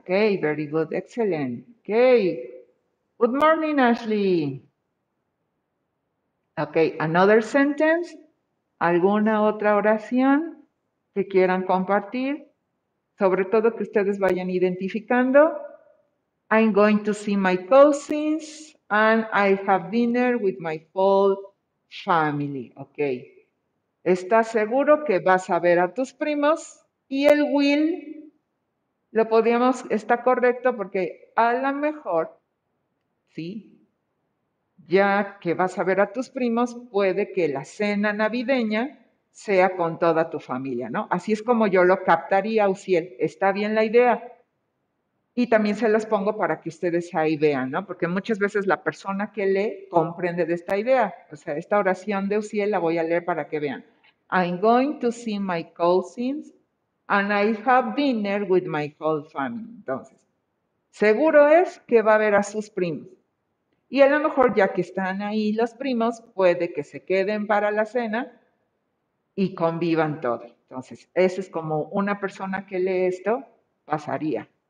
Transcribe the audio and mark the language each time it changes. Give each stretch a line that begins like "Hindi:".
English: Ok, very good, excelente. Ok, good morning, Ashley.
Spanish: Ok,
English: another sentence,
Spanish: alguna otra oración que quieran compartir, sobre todo que ustedes vayan identificando.
English: I'm going to see my cousins and I have dinner with my whole family. Ok.
Spanish: ¿Estás seguro que vas a ver a tus primos? Y el will, lo podríamos, está correcto porque a lo mejor, ¿sí? Ya que vas a ver a tus primos, puede que la cena navideña sea con toda tu familia, ¿no? Así es como yo lo captaría, Uciel. ¿Está bien la idea? Y también se las pongo para que ustedes ahí vean, ¿no? Porque muchas veces la persona que lee comprende de esta idea. O sea, esta oración de Uciel la voy a leer para que vean.
English: I'm going to see my cousins and I have dinner with my whole family.
Spanish: Entonces, seguro es que va a ver a sus primos. Y a lo mejor, ya que están ahí los primos, puede que se queden para la cena y convivan todos. Entonces, ese es como una persona que lee esto pasaría.